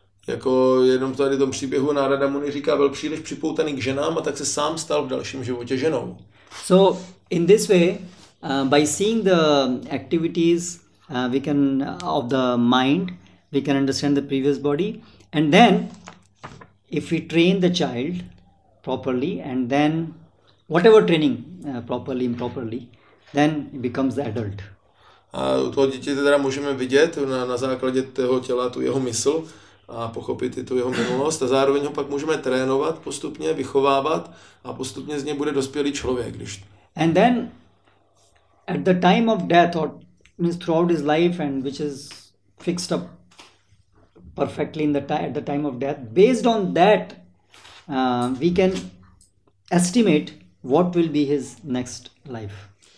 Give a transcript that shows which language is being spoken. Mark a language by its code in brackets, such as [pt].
[cs] Jako jenom tady v tom příběhu Narada Muni říká, byl příliš připoutaný k ženám a tak se sám stal v dalším životě ženou. [en] So in this way, by seeing the activities we can of the mind, we can understand the previous body, and then if we train the child properly, and then whatever training properly, improperly, then it becomes the adult. [cs] A u toho dítěte teda můžeme vidět na základě toho těla tu jeho mysl a pochopit i tu jeho minulost a zároveň ho pak můžeme trénovat postupně, vychovávat a postupně z něj bude dospělý člověk, když. [en] And then at the time of death, or means throughout his life, and which is fixed up perfectly in the at the time of death, based on that we can estimate what will be his next life.